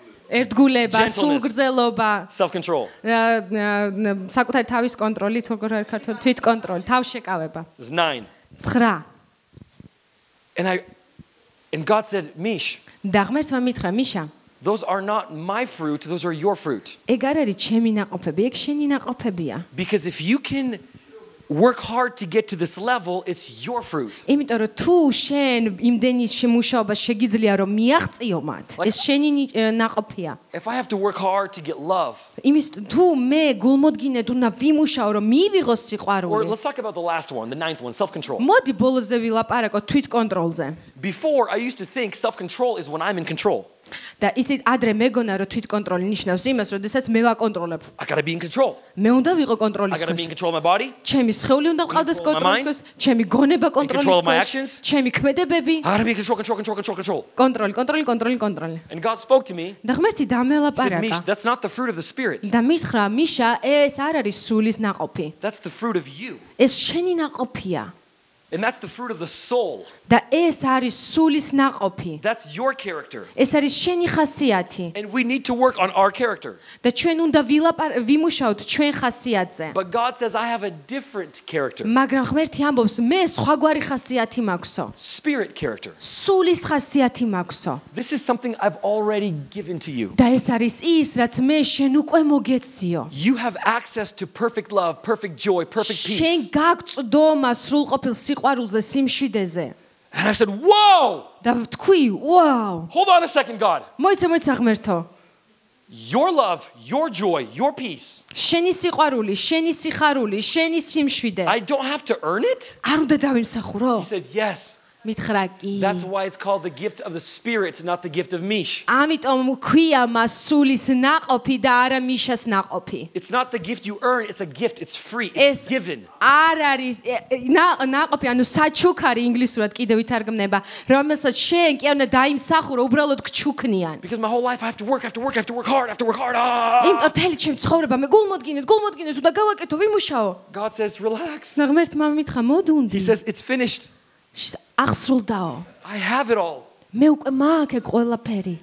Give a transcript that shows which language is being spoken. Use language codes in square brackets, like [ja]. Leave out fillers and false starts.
[ka] ერთგულება, სულგრძელობა. [en] Self-control. [ka] საკუთარი თავის კონტროლი, თორგორ არ ქართულ თვითკონტროლი, თავშეკავება. 9. 9. [en] And God said, "Mish." [ka] და ღმერთმა მითხრა, "Миша." [en] Those are not my fruit, those are your fruit. [ka] ეგ არ არის ჩემი ნაყოფები, ეგ შენი ნაყოფებია. [en] Because if you can work hard to get to this level, it's your fruit. [ka] იმიტომ რომ თუ შენ იმდენი შემუშავება შეგიძლია რომ მიაღწიო მათ, ეს შენი ნაყოფია. [en] If I have to work hard to get love. [ka] იმიტომ თუ მე გულმოდგინედ უნდა ვიმუშაო რომ მივიღო სიყვარული. [en] Or let's talk about the last one, the ninth one, self-control. [ka] მოდი ბოლოზე ვილაპარაკო თვითკონტროლზე. [en] Before I used to think self-control is when I'm in control. [ka] და ისეთ ადრე მეგონა რომ თვითკონტროლი ნიშნავს იმას, როდესაც მე ვაკონტროლებ. [en] I gotta be in control. [ka] მე უნდა ვიყო კონტროლის [en] ქვეშ. I gotta be in control of my body. [ka] ჩემი სხეული უნდა ყავდეს კონტროლის ქვეშ, ჩემი გონება კონტროლის [en] ქვეშ. In control of my actions. [ka] ჩემი ქმედებები. [en] I gotta be in control, control, control, control, control. [ka] კონტროლი, კონტროლი, კონტროლი, კონტროლი. [en] And God spoke to me. [ka] და ღმერთი დამელაპარაკა. [en] Said, "Mish, that's not the fruit of the spirit." [ka] და მითხრა, "Миша, ეს არ არის სულის ნაყოფი." [en] That's the fruit of you. [ka] ეს შენი ნაყოფია. [en] And that's the fruit of the soul. [ka] Და ეს არის სულის ნაყოფი. [en] That's your character. [ka] ეს არის შენი ხასიათი. [en] And we need to work on our character. [ka] და ჩვენ უნდა ვიმუშაოთ ჩვენ ხასიათზე. [en] But God says I have a different character. [ka] მაგრამ ღმერთი ამბობს მე სხვაგვარი ხასიათი მაქვსო. [en] Spirit character. [ka] სულის ხასიათი მაქვსო. [en] This is something I've already given to you. [ka] და ეს არის ის რაც მე შენ უკვე მოგეციო. [en] You have access to perfect love, perfect joy, perfect peace. [ka] შენ გაქვს დომა სრულყოფილ სიყვარულზე, სიმშვიდეზე. [en] And I said, "Whoa!" [ka] და ვთქვი, "Wow!" [en] Hold on a second, God. [ka] მოიცემ ერთ საღმერთო. [en] Your love, your joy, your peace. [ka] შენი სიყვარული, შენი სიხარული, შენი სიმშვიდე. [en] I don't have to earn it? [ka] არ უნდა დავიმსახურო? [en] He said yes. [ka] მითხრა კი. [en] That's why it's called the gift of the spirit, not the gift of mish. [ka] ამიტომ ქვია მას სულის ნაყოფი და არა მიშას ნაყოფი. [en] It's not the gift you earn, it's a gift, it's free, it's given. [ka] არ არის ნაყოფი, ანუ საჩუქარი ინგლისურად კიდევ ითარგმნება, რომელსაც შენ კი უნდა დაიმსახურო, უბრალოდ გჩუქნიან. [en] Because my whole life I have to work, I have to work, I have to work hard, I have to work hard. [ka] იმიტომ მთელი ჩემი ცხოვრება მე გულმოდგინედ, გულმოდგინედ, უნდა გავაკეთო, ვიმუშაო. [en] God says relax. [ka] ნაღმერთმა მითხრა მოდუნდი. [en] He says it's finished. [ka] აღსრულდაო. [en] I have it all. [ka] მე უკვე მაქვს ყველაფერი.